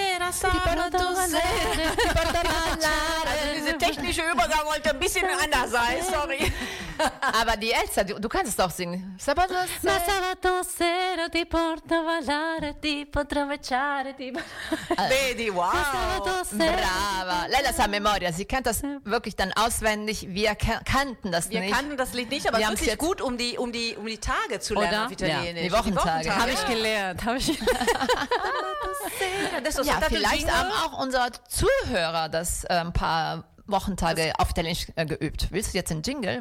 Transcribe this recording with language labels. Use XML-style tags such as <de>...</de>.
<it>Sabato sera.</it> <de>Diese technische Übergang wollte ein bisschen anders sein, sorry. Aber die Elsa, du kannst es doch singen.</de> <it>Sabato sera. Ma sabato sera ti porto a ballare, ti potrò baciare, ti Vedi, wow. Brava. Lei la sa a memoria,</it> <de>sie kennt das wirklich dann auswendig. Wir kannten das Lied nicht, aber es ist wirklich gut, um die Tage zu lernen. Oder? Ja. Die Wochentage. Habe ich gelernt. Ja, vielleicht haben auch unsere Zuhörer das ein paar Wochentage das auf Italienisch geübt. Willst du jetzt einen Jingle?</de>